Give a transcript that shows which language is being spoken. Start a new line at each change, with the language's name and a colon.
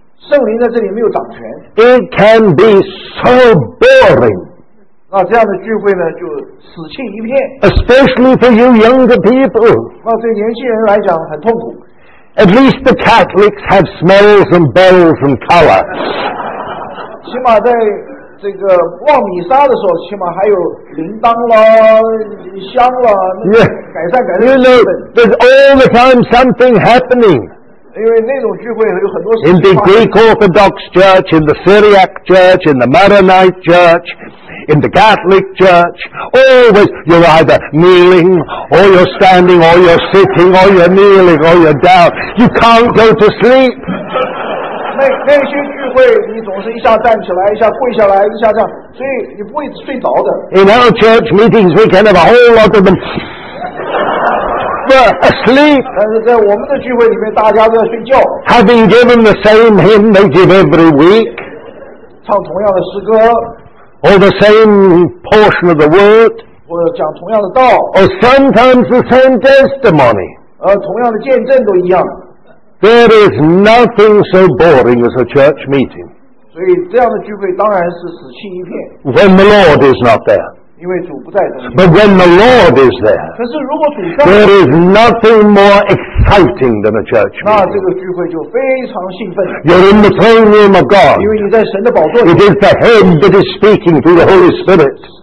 Chinese: 圣灵在这里没有掌权。
English: It can be so boring,
Chinese: 那这样的聚会呢就死气一片。
English: Especially for you younger people,
Chinese: 那对年轻人来讲很痛苦。
English: At least the Catholics have smells and bells and color.
Chinese: 起码在这个望弥撒的时候，起码还有铃铛啦、香啦，改善改善。
English: You know, there's all the time something happening.
Chinese: 因为那种聚会有很多事
English: 情。In the Greek Orthodox Church, in the Syriac Church, in the Maronite Church, in the Catholic Church, always you're either kneeling, or you're standing, or you're sitting, or you're kneeling, or you're down. You can't go to sleep.
Chinese: 那些聚会，你总是一下站起来，一下跪下来，一下这样，所以你不会睡着的。
English: In our church meetings, we can have a whole lot of them. Asleep.
Chinese: 但是在我们的聚会里面，大家都在睡觉。
English: Having given the same hymn they give every week.
Chinese: 唱同样的诗歌。
English: Or the same portion of the word.
Chinese: 或者讲同样的道。
English: Or sometimes the same testimony.
Chinese: 同样的见证都一样。
English: There is nothing so boring as a church meeting.
Chinese: 所以这样的聚会当然是死气一片。
English: When the Lord is not there. But when the Lord is there, there is nothing more exciting than a church meeting. You're in the throne room of God. It is the head that is speaking through the Holy Spirit.